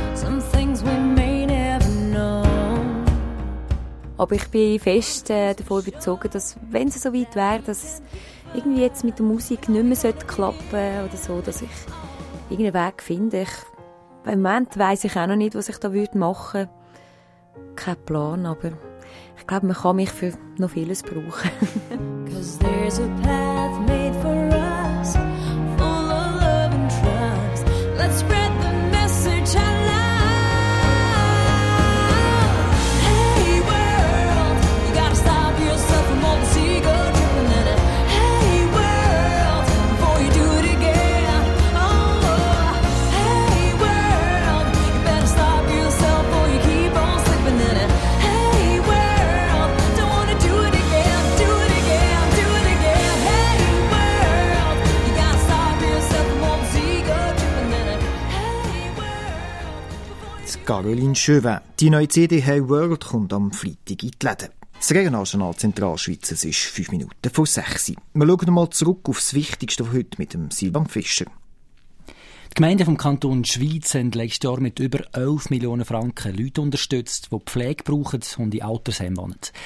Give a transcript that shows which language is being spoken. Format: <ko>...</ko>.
<en>Some things we may never know.</en> <de>Aber ich bin fest davon überzeugt, dass wenn es so weit wäre, dass es irgendwie jetzt mit der Musik nicht mehr klappen oder so, dass ich irgendeinen Weg finde. Im Moment weiss ich auch noch nicht, was ich da machen würde. Kein Plan, aber ich glaube, man kann mich für noch vieles brauchen.</de> <en>'Cause there's a path made for us, full of love and trust. Let's spread the message out loud. Hey world, you gotta stop yourself from all this ego tripping. And hey world, before you do it again. Oh, hey world, you better stop yourself before you keep on slipping. And hey world, don't wanna do it again, do it again, do it again. Hey world, you gotta stop yourself from all this ego tripping. And hey world.</en> <de>Caroline Chauvin, die neue CD Hey World kommt am Freitag in die Läden. Das Regional Zentralschweiz, es ist 5 Minuten vor 6. Wir schauen nochmal zurück auf das Wichtigste von heute mit dem Silvan Fischer. Die Gemeinden vom Kanton Schweiz haben letztes Jahr mit über 11 Millionen Franken Leute unterstützt, die Pflege brauchen und in Altersheim wohnen.</de>